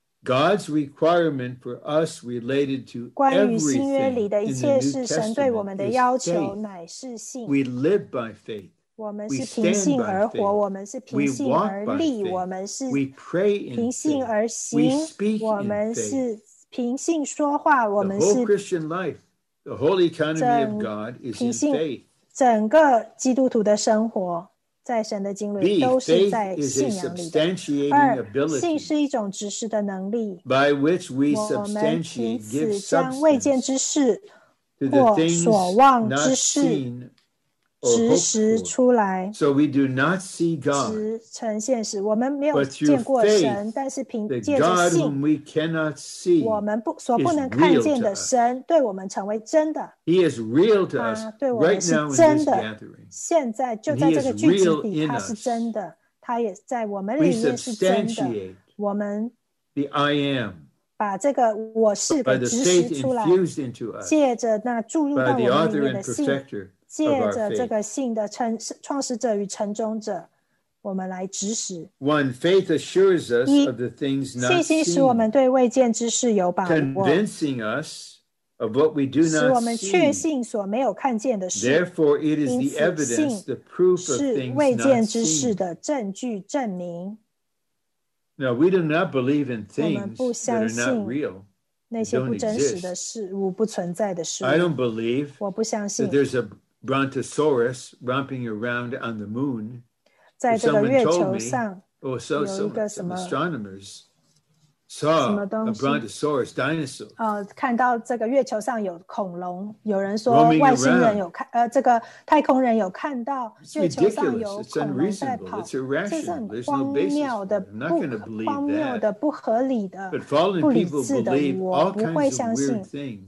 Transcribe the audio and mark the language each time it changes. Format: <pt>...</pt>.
<en>God's requirement for us related to everything in the New Testament is faith. We live by faith. We stand by faith. We walk by faith. We pray in faith. We speak in faith. The whole Christian life, the whole economy of God is in faith.</en> <zh>整个基督徒的生活, 在神的经历,</zh> <en>B, faith is a substantiating ability by which we substantiate, give substance to the things not seen or hoped for. So we do not see God, but through faith, the God whom we cannot see is real to us. He is real to us, real to us right now in this gathering. He is real in us. We substantiate the I am.</en> <zh>把这个我是给执行出来,</zh> <en>by the faith infused into us, by the author and perfecter,</en> <zh>借着这个信的创始者与成终者，我们来执行。</zh> <en>One, faith assures us of the things not seen.</en> <zh>信心使我们对未见之事有把握。</zh> <en>Convincing us of what we do not see.</en> <zh>使我们确信所没有看见的事。</zh> <en>Therefore, it is the evidence, the proof of things not seen.</en> <zh>是未见之事的证据证明。</zh> <en>Now, we do not believe in things that are not real. I don't believe that there's a brontosaurus romping around on the moon. Someone told me, or some astronomers saw a brontosaurus dinosaur.</en> <zh>看到这个月球上有恐龙, 有人说外星人有看到,</zh> <en>it's unreasonable, it's irrational, there's no basis for it. I'm not going to believe that.</en> <zh>不合理的,</zh> <en>but fallen people believe all kinds of weird things.</en>